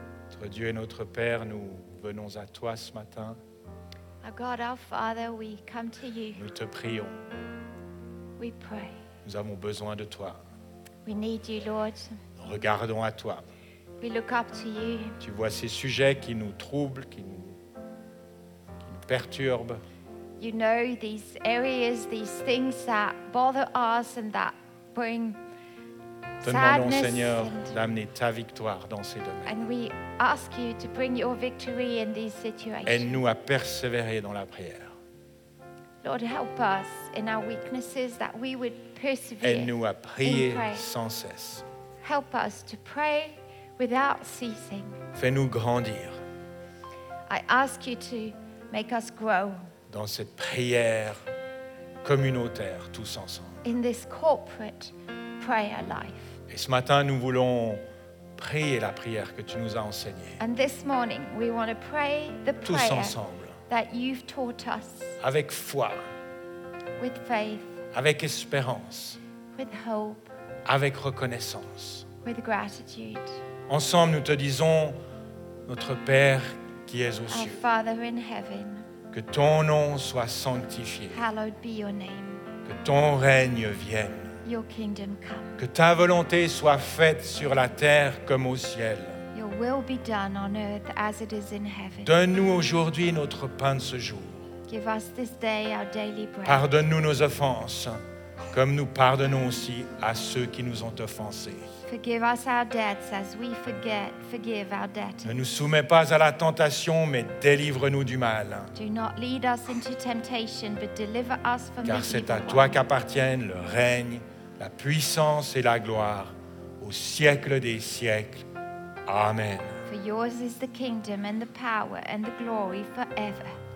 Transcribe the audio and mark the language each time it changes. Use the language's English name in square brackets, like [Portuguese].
[French] Notre Dieu et notre Père, nous venons à toi ce matin. [English] Our God, our Father, we come to you. [French] Nous te prions. [English] We pray. [French] Nous avons besoin de toi. [English] We need you, Lord. [French] Nous regardons à toi. [English] We look up to you. [French] Tu vois ces sujets qui nous troublent, qui nous perturbent. [English] You know these areas, these things that bother us and that bring [French] te demandons, Seigneur, d'amener ta victoire dans ces domaines. [English] And we ask you to bring your victory in these situations. [French] Aide-nous à persévérer dans la prière. [English] Lord, help us in our weaknesses that we would persevere. [French] Aide-nous à prier sans cesse. [English] Help us to pray without ceasing. [French] Fais-nous grandir. [English] I ask you to make us grow. [French] Dans cette prière communautaire, tous ensemble. [English] In this corporate prayer life. [French] Et ce matin, nous voulons prier la prière que tu nous as enseignée. [English] And this morning, we want to pray the prayer. [French] Tous ensemble. [English] That you've taught us. [French] Avec foi. [English] With faith. [French] Avec espérance. [English] With hope. [French] Avec reconnaissance. [English] With gratitude. [French] Ensemble, nous te disons, notre Père qui es aux cieux. [English] Our Father in heaven. [French] Que ton nom soit sanctifié. [English] Hallowed be your name. [French] Que ton règne vienne. [English] Your kingdom come. [French] Que ta volonté soit faite sur la terre comme au ciel. [English] Your will be done on earth as it is in heaven. [French] Donne-nous aujourd'hui notre pain de ce jour. [English] Give us this day our daily bread. [French] Pardonne-nous nos offenses, comme nous pardonnons aussi à ceux qui nous ont offensés. [English] Forgive us our debts as we forgive our debtors. [French] Ne nous soumets pas à la tentation, mais délivre-nous du mal. [English] Do not lead us into temptation, but deliver us from the evil. [French] Car c'est à toi qu'appartiennent le règne, la puissance et la gloire, au siècle des siècles. [English] Amen. For yours is the kingdom and the power and the glory forever.